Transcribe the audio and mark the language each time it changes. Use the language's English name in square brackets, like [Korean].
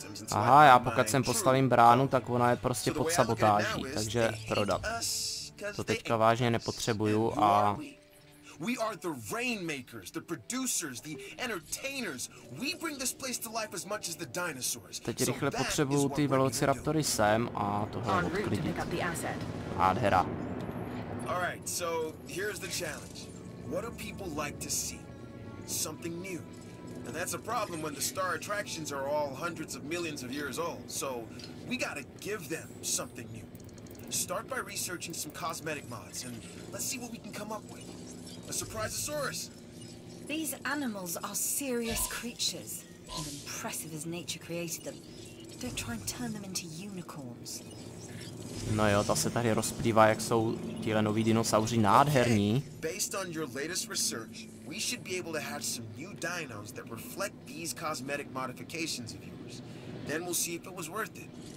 [Czech] Aha, já pokud sem postavím bránu, tak ona je prostě pod sabotáží, takže prodat. To teďka vážně nepotřebuju a [English] we are the rainmakers, the producers, the entertainers. We bring this place to life as much as the dinosaurs. [Czech] Teď rychle potřebuju ty velociraptory sem a tohle odklidit. Nádhera. [English] All right, so here's the challenge. What do people like to see? Something new. And that's a problem when the star attractions are all hundreds of millions of years old. So, we gotta give them something new. Start by researching some cosmetic mods, and let's see what we can come up with. A surprise-a-saurus! These animals are serious creatures, and impressive as nature created them. Don't try and turn them into unicorns. [Czech] No jo, ta se tady rozplývá, jak jsou tyhle noví dinosauři nádherní. [English] Okay. Based on your latest research, we should be able to hatch some new dinos that reflect these cosmetic modifications of yours. Then we'll see if it was worth it.